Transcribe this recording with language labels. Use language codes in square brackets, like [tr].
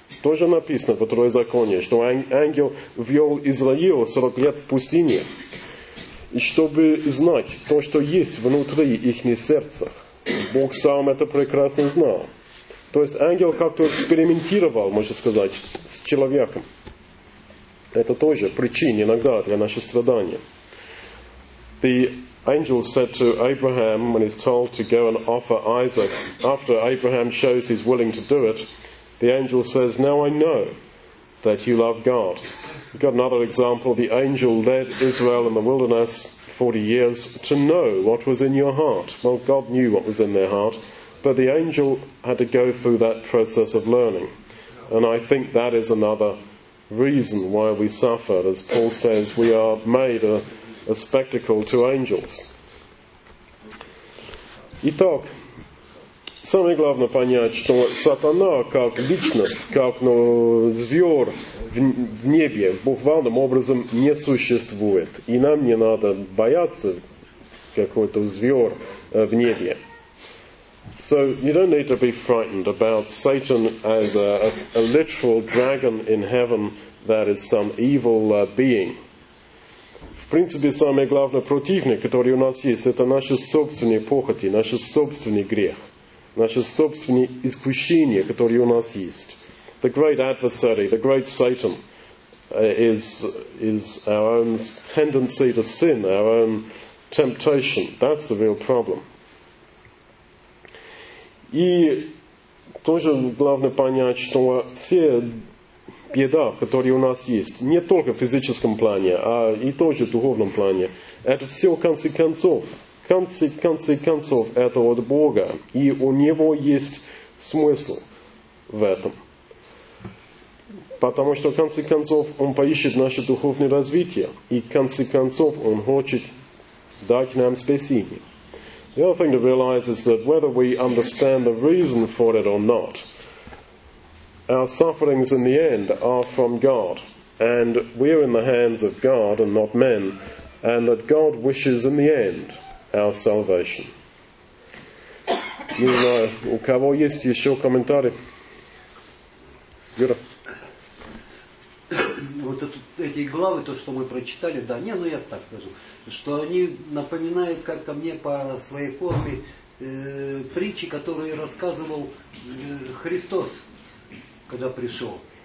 [ru] Тоже написано в Второзаконии, что ангел ввел Израиль 40 лет в пустыне, чтобы знать то, что есть внутри их сердца. Бог сам это прекрасно знал. То есть ангел как-то экспериментировал, можно сказать, с человеком. Это тоже причина иногда для наших страданий. [en] The angel said to Abraham, when he's told to go and offer Isaac, after Abraham shows he's willing to do it, the angel says, now I know that you love God. We've got another example. The angel led Israel in the wilderness 40 years to know what was in your heart. Well, God knew what was in their heart, but the angel had to go through that process of learning. And I think that is another reason why we suffer. As Paul says, we are made a spectacle to angels. [ru] Итак, самое главное понять, что сатана как личность, как звер в небе, буквальным образом не существует. И нам не надо бояться какой-то звер в небе. [en] So you don't need to be frightened about Satan as a literal dragon in heaven that is some evil being. [ru] В принципе, самый главный противник, который у нас есть, это наши собственные похоти, наши собственные грехи, наши собственные искушения, которые у нас есть. [en] The great adversary, the great Satan, is our own tendency to sin, our own temptation. That's the real problem. [ru] И тоже главное понять, что все беда, которые у нас есть, не только в физическом плане, а и тоже в духовном плане, это все в конце концов, это от Бога. И у Него есть смысл в этом. Потому что, в конце концов, Он поищет наше духовное развитие. И, в конце концов, Он хочет дать нам спасение. [en] The other thing to realize is that whether we understand the reason for it or not, our sufferings in the end are from God. And we are in the hands of God and not men. And that God wishes in the end our salvation. [ru] Не знаю, у кого есть еще комментарии? Юра. Вот эти главы, то, что мы прочитали, да, не, ну я так скажу, что они напоминают как-то мне по своей форме притчи, которые рассказывал Христос, когда пришел.